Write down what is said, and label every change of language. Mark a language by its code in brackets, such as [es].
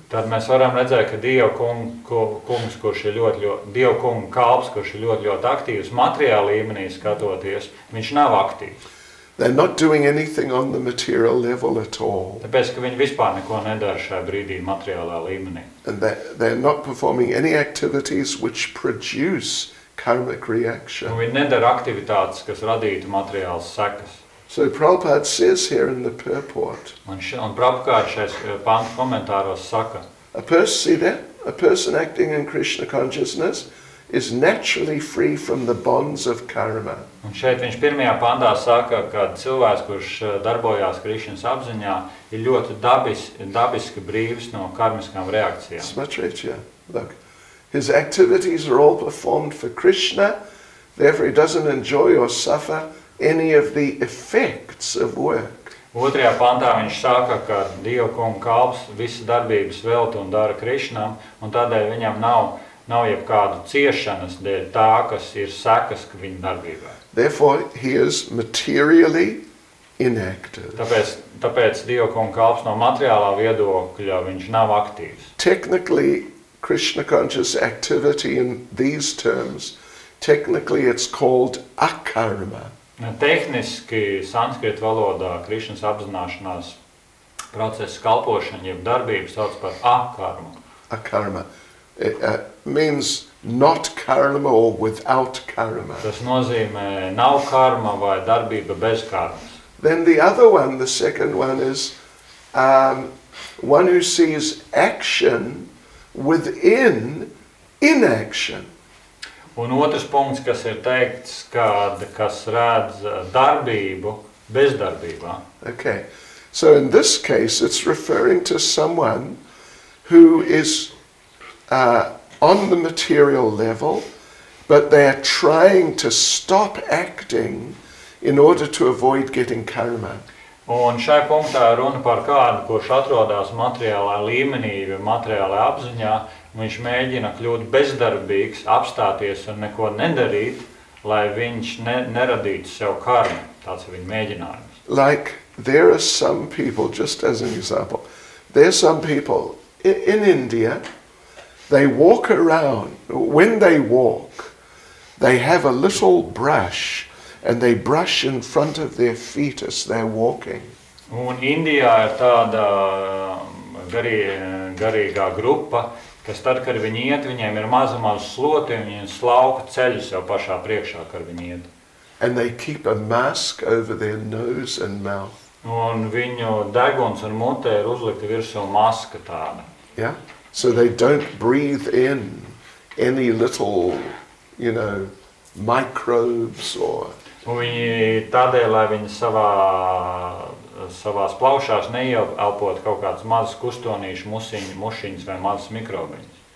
[lv] Tad mēs varam redzēt, ka dievkums, kurš ir ļoti, ļoti dievkuma kalps, kurš ir ļoti, ļoti aktīvs materiālā līmenī skatoties, viņš nav aktīvs. [en] They're not doing anything on the material level at all. [lv] Tāpēc, ka viņi vispār neko nedara šajā brīdī materiālā līmenī. [en] And they're not performing any activities which produce karmic reaction. [lv] Un viņi nedara aktivitātes, kas radītu materiālas sekas. [en] So Prabhupāda says here in the purport. [lv] Un Prabhupāda šais pants komentāros saka. [en] A person acting in Krishna consciousness is naturally free from the bonds of karma. [lv] Un šeit viņš pirmajā pandā saka, ka cilvēks, kurš darbojās Krišnas apziņā, ir ļoti dabiski brīvs no karmiskām reakcijām. [en] Smatrīt, yeah. Look, his activities are all performed for Krishna, therefore he doesn't enjoy or suffer any of the effects of work. [lv] Otrajā pandā viņš saka, ka Dieva kunga kalps visas darbības velta un dara Krišnam, un tādēļ viņam nav jebkādu ciešanas dēļ tā, kas ir sekas viņa darbībā. [en] Therefore, he is materially inactive. [lv] Tāpēc Dieva kunga kalps no materiālā viedokļa viņš nav aktīvs. [en] Technically, Krishna conscious activity in these terms, technically it's called akarma. [lv] Tehniski, sanskrit valodā, Krišnas apzināšanās procesa kalpošana jeb darbība sauc par akarma. [en] Akarma. It means not karma or without karma. [lv] Tas nozīmē nav karma vai darbība bez karmas. [en] Then the other one, the second one is one who sees action within inaction. [lv] Un otrs punkts, kas ir teikts, kas redz darbību bezdarbībā. [en] Okay. So in this case it's referring to someone who is on the material level, but they are trying to stop acting in order to avoid getting karma. [lv] Un šai punktā runa par kādu, kurš atrodas materiālā līmenī vai materiālā apziņā, viņš mēģina kļūt bezdarbīgs, apstāties un neko nedarīt, lai viņš neradītu sev karmu. Tāds ir viņa mēģinājums. [en] Like, there are some people, just as an example, there are some people in India. They walk around, when they walk, they have a little brush and they brush in front of their feet as they're walking. [lv] Un Indijā ir tāda garīgā grupa, kas tad, kad viņi iet, viņiem ir maza slota, viņi slauka ceļus jau pašā priekšā, kad viņi iet. [en] And they keep a mask over their nose and mouth. [lv] Un viņu deguns un mutē ir uzlikta virsū maska tāda. [en] Yeah. So they don't breathe in any little, you know, microbes or. [lv] Viņi tādēļ, lai viņi savās plaušās neielpot kaut kādas mazas kustonīšu mušiņas vai mazas mikrobiņas.